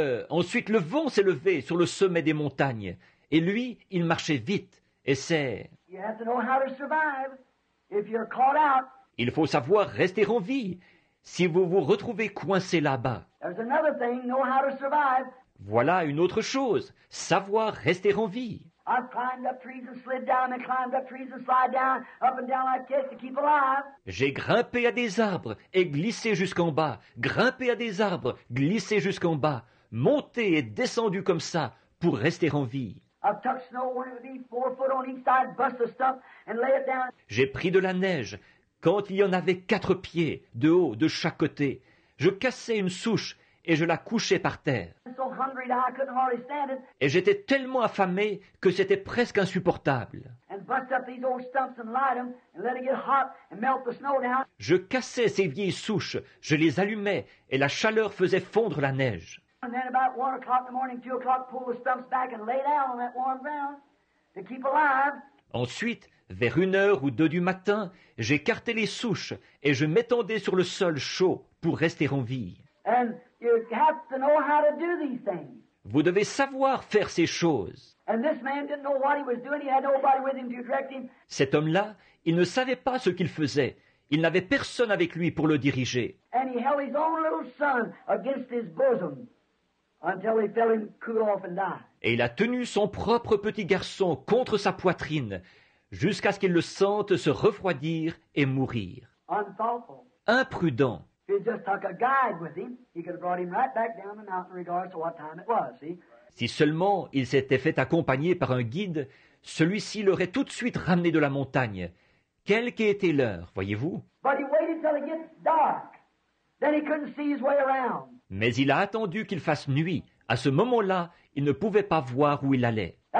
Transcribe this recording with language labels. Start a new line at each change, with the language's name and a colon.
French: Ensuite le vent s'est levé sur le sommet des montagnes, et lui, il marchait vite, et c'est...
English: You have to know how to survive if you're caught out.
French: Il faut savoir rester en vie si vous vous retrouvez coincé là-bas.
English: There's another thing, know how to survive.
French: Voilà une autre chose, savoir rester en vie.
English: I've climbed up trees and slid down and climbed up trees and slid down up and down like this to keep alive.
French: J'ai grimpé à des arbres et glissé jusqu'en bas, grimpé à des arbres, glissé jusqu'en bas, monté et descendu comme ça pour rester en vie.
English: I've tucked snow when it would be 4 foot on each side, bust the stump and lay it down.
French: J'ai pris de la neige quand il y en avait 4 pieds de haut de chaque côté. Je cassais une souche et je la couchais par terre.
English: So hungry that I couldn't hardly stand it.
French: Et j'étais tellement affamé que c'était presque insupportable.
English: And bust up these old stumps and light them and let it get hot and melt the snow down.
French: Je cassais ces vieilles souches, je les allumais et la chaleur faisait fondre la neige.
English: And then about 1 o'clock in the morning, 2 o'clock, pull the stumps back and lay down on that warm ground to keep alive.
French: Ensuite, vers 1 heure ou 2 du matin, j'écartais les souches et je m'étendais sur le sol chaud pour rester en vie.
English: And you have to know how to do these things.
French: Vous devez savoir faire ces choses.
English: And this man didn't know what he was doing. He had nobody with him to direct him.
French: Cet homme-là, il ne savait pas ce qu'il faisait. Il n'avait personne avec lui pour le diriger.
English: And he held his own little son against his bosom. Until he fell in, cool off and die.
French: Et il a tenu son propre petit garçon contre sa poitrine jusqu'à ce qu'il le sente se refroidir et mourir.
English: Unthoughtful.
French: Imprudent.
English: If he'd just took a guide with him, he could have brought him right back down the mountain regardless of what time it was, see?
French: Si seulement il s'était fait accompagner par un guide, celui-ci l'aurait tout de suite ramené de la montagne, quelle qu'ait été l'heure, voyez-vous?
English: But he waited till it gets dark. Then he couldn't see his way around.
French: Mais il a attendu qu'il fasse nuit. À ce moment-là, il ne pouvait pas voir où il allait.